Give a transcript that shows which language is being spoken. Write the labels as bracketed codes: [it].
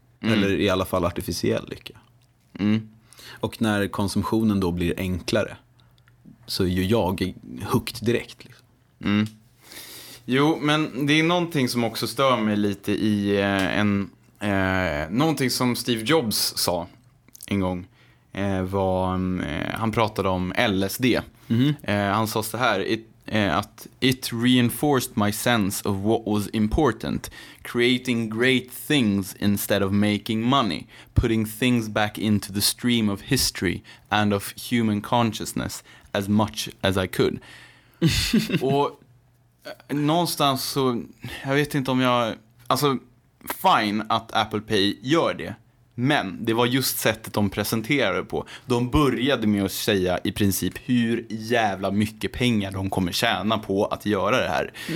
[sv] Eller i alla fall artificiell lycka. Och när konsumtionen då blir enklare, så är ju jag hooked direkt liksom. Jo, men det är någonting som också stör mig lite i en... någonting som Steve Jobs sa en gång var... han pratade om LSD. Mm-hmm. Han sa så här... att [en] it reinforced my sense of what was important, creating great things instead of making money, putting things back into the stream of history and of human consciousness as much as I could. [sv] Och någonstans så, jag vet inte om jag, alltså fine att Apple Pay gör det, men det var just sättet de presenterade på. De började med att säga i princip hur jävla mycket pengar de kommer tjäna på att göra det här.